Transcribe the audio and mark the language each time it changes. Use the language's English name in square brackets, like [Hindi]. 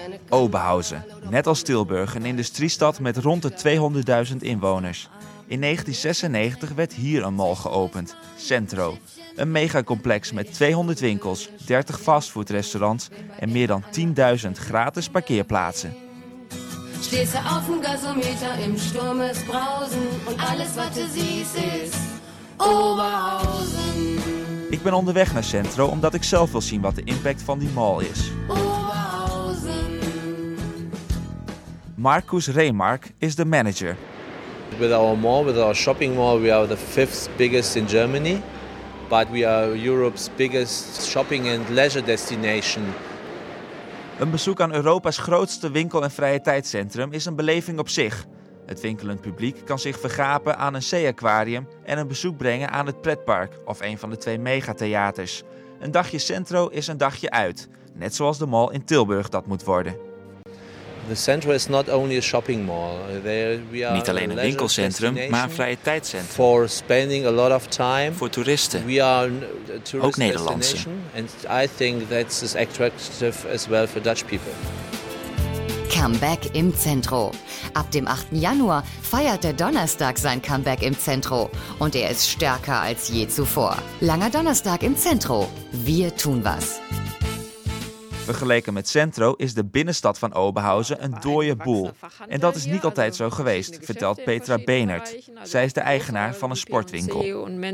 [Dutch] Oberhausen, net als Tilburg, een industriestad met rond de 200.000 inwoners. In 1996 werd hier een mall geopend, Centro. Een megacomplex met 200 winkels, 30 fastfoodrestaurants en meer dan 10.000 gratis parkeerplaatsen. [German] Stehst du auf dem Gasometer, im Sturm ist Brausen und alles, was du siehst, ist Oberhausen. [Dutch] Ik ben onderweg naar Centro omdat ik zelf wil zien wat de impact van die mall is. Marcus Remark is de manager. [English] With our mall, with our shopping mall, we are the fifth biggest in Germany. But we are Europe's biggest shopping and leisure destination. [Dutch] Een bezoek aan Europa's grootste winkel- en vrije tijdcentrum is een beleving op zich. Het winkelend publiek kan zich vergapen aan een zee-aquarium en een bezoek brengen aan het pretpark of een van de twee megatheaters. Een dagje Centro is een dagje uit, net zoals de mall in Tilburg dat moet worden. [English] The Centro is not only a shopping mall. We are [Dutch] niet alleen een winkelcentrum, maar een vrije tijdcentrum. [English] For spending a lot of time. [Dutch] Voor toeristen. [English] We are a tourist [Dutch] ook Nederlandse. [English] And I think that's as attractive as well for Dutch people. [German] Comeback im Centro. Ab dem 8. Januar feiert der Donnerstag sein Comeback im Centro. Und er ist stärker als je zuvor. Langer Donnerstag im Centro. Wir tun was. [Dutch] Vergeleken met Centro is de binnenstad van Oberhausen een dooie boel. En dat is niet altijd zo geweest, vertelt Petra Beenert. Zij is de eigenaar van een sportwinkel.